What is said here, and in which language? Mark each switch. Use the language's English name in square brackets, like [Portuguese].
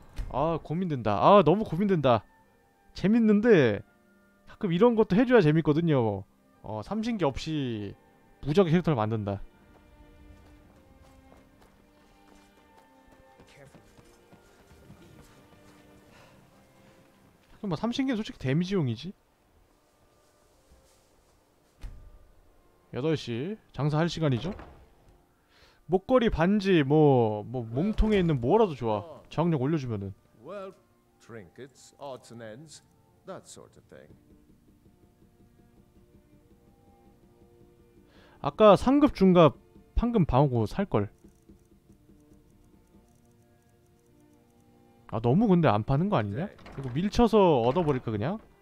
[Korean] 아 고민된다 아 너무 고민된다 재밌는데 가끔 이런 것도 해줘야 재밌거든요 어 삼신기 없이 무적의 캐릭터를 만든다 뭐 삼신기는 솔직히 데미지용이지? 8시 장사할 시간이죠? 목걸이, 반지, 뭐 몸통에 있는 뭐라도 좋아 저항력 올려주면은 [English] Well, trinkets, odds and ends, that sort of thing. [Korean] 아까 상급 중갑 황금 방어구 살걸 아 너무 근데 안 파는 거 아니냐? 이거 밀쳐서 얻어버릴까 그냥?